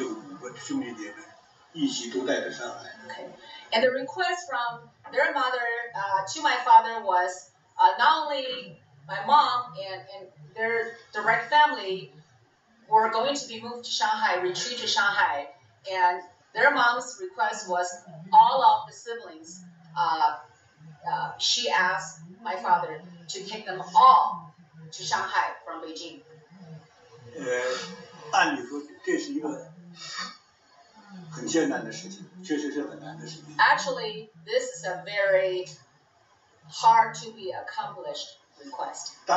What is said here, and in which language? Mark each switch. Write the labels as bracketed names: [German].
[Chinese] 当然商量的同时，也实在的跟我大姐商量。之前之间我估计这先后我不知道，他们的商人他们会商量。商量的结果就是同意我妈妈的要求，不仅把你们带去，要把我剩余这五个兄弟姐妹一起都带到上海。 [English] Okay. And the request from their mother to my father was not only my mom and their direct family were going to be moved to Shanghai, retreat to Shanghai, and their mom's request was all of the siblings, she asked my father to take them all to Shanghai from Beijing. [Chinese] 按理说这是一个很艰难的事情，确实是很难的事情。 [English] Actually, this is a very hard to be accomplished request.